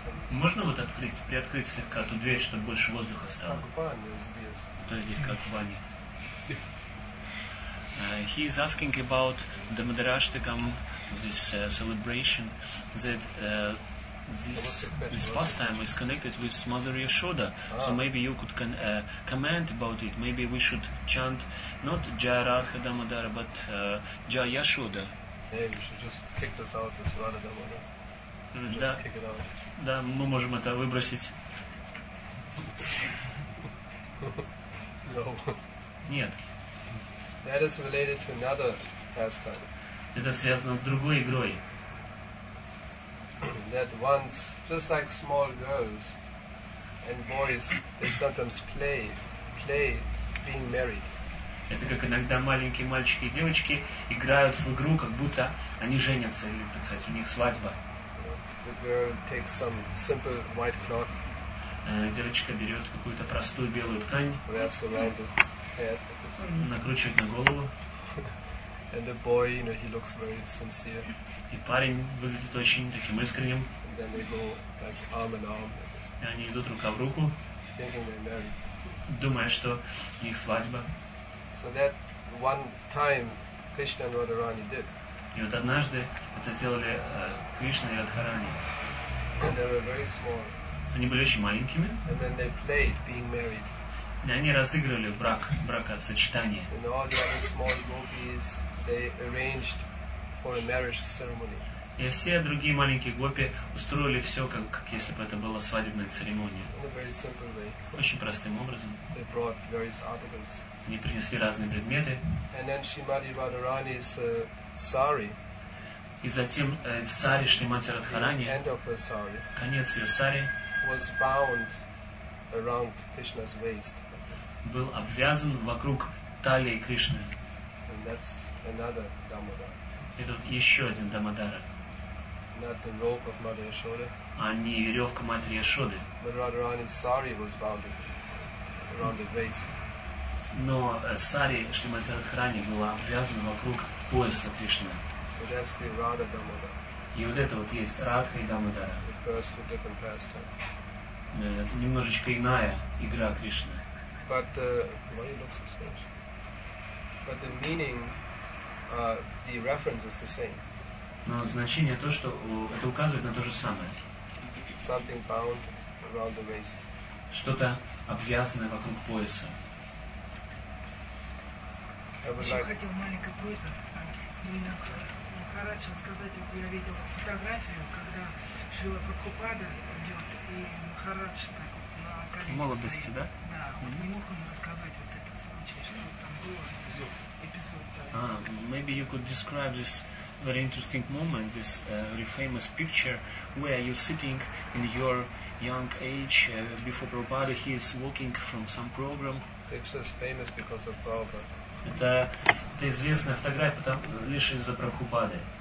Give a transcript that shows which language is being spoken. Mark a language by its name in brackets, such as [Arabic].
[Russian] Можно вот открыть, приоткрыть слегка ту дверь, чтобы больше воздуха стало? То есть здесь как в бане. [English] He is asking about the Madarashtakam, this celebration, that this pastime is connected with Mother Yashoda. So maybe you could comment about it. Maybe we should chant not Jaya Radha Damodara, but Jaya Yashoda. Yeah, you should just kick this out, this Radha Damodara. Just [Russian] да. [English] Kick it out. [Russian] Да, мы можем это выбросить. [English] No. [Russian] Нет. [English] That is related to another pastime. [Russian] Это связано с другой игрой. [English] That once, just like small girls and boys, they sometimes play being married. [Russian] Это как иногда маленькие мальчики и девочки играют в игру, как будто они женятся, или, так сказать, у них свадьба. [English] The girl takes some simple white cloth. [Russian] Девочка берет какую-то простую белую ткань, [English] wraps around the head, [Russian] накручивает на голову. [English] And the boy, you know, he looks very sincere. [Russian] И парень выглядит очень таким искренним. [English] And then they go, like, arm in arm, [Russian] и они идут рука в руку, [English] thinking they're married. [Russian] Думая, что у них свадьба. [English] So that one time Krishna and Radharani did. [Russian] И вот однажды это сделали Кришна и Радхарани. [English] And they were very small. [Russian] Они были очень маленькими. [English] And then they played being married. [Russian] И они разыгрывали бракосочетание. [English] And all the other small gopis, they arranged for a marriage ceremony. [Russian] И все другие маленькие гопи устроили все, как если бы это была свадебная церемония. [English] In a very simple way. [Russian] Очень простым образом. [English] They brought various articles. [Russian] Они принесли разные предметы. [English] And then Shrimati Radharani's sari. [Russian] И затем сари Шримати Радхарани, конец ее сари, [English] was bound around Krishna's waist. [Russian] Был обвязан вокруг талии Кришны. [English] And that's another Дамодара. [Russian] Это вот еще один Дамодара. [English] Not the rope of Mother Yashoda. [Russian] А не веревка матери Яшоды. [English] But Radharani's sari was bound around the waist. [Russian] Но сари Шримати Радхарани была обвязана вокруг пояса Кришны. [English] So that's the Radha Damodara. [Russian] И вот это вот есть Радха и Дамодара. [English] The first with different pastime. [Russian] Немножечко иная игра Кришны. [English] But why it looks so strange? But the meaning, the reference is the same. [Russian] Но значение то, что это указывает на то же самое. [English] Something bound around the waist. [Russian] Что-то обвязанное вокруг пояса. Еще хотел маленькое просьба, именно Махарадж рассказать. Вот я видел фотографию, когда Шрила Прабхупада идет, и Махарадж так вот на колени. Молодости, стоит. Да? Да, вот не мог он рассказать вот этот случай, что вот там было эпизод. Да. [English] Maybe you could describe this very interesting moment, this very famous picture where you're sitting in your young age before Prabhupada, he is walking from some program. Picture's famous because of Prabhupada. [Russian] Это известная фотография, там лишь из-за Прабхупады.